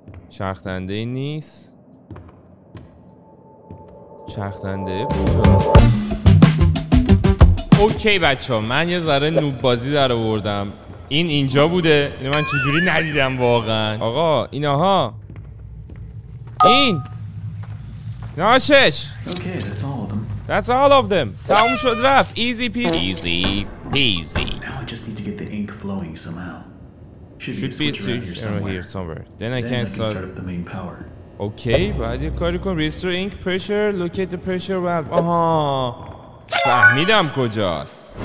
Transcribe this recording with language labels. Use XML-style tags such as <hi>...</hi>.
<fa>چرخنده این نیست چرخنده اوکی بچه ها من یه ذره نوب بازی در آوردم این اینجا بوده اینو من چجوری ندیدم واقعا آقا اینا ها این ناشش</fa> <en>okay that's all of them</en> <fa>تموم شد رفت</fa> <en>easy peasy now I just need to get the ink flowing somehow should be a switch around here somewhere then I can start up the main power</en> <fa>اوکی باید یک کاری کن</fa> <en>restore ink pressure locate the pressure valve</en> <fa>آها فهمیدم کجاست</fa>